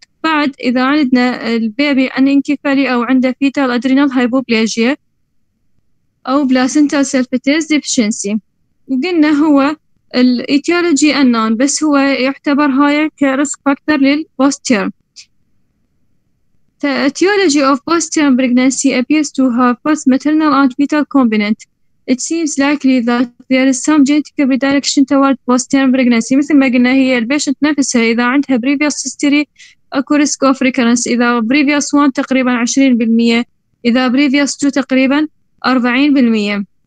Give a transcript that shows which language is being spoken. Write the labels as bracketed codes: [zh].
[ar] بعد إذا عندنا البيبي عن انكفالي أو عنده [en] fetal adrenal hypoplasia [ar] أو [en] placenta sulfatase deficiency، [ar] وقلنا هو الإيتيولوجي unknown بس هو يعتبر هاي كrisk factor للpostterm. [en] The etiology of postterm pregnancy appears to have both maternal and fetal component. It seems likely that there is some genetic predilection toward postpartum pregnancy. [ar] مثل ما قلنا هي البيشنت نفسها إذا عندها [en] previous history [ar] أكو [en] risk of recurrence. [ar] إذا previous one تقريبا 20%، إذا previous two تقريبا 40%.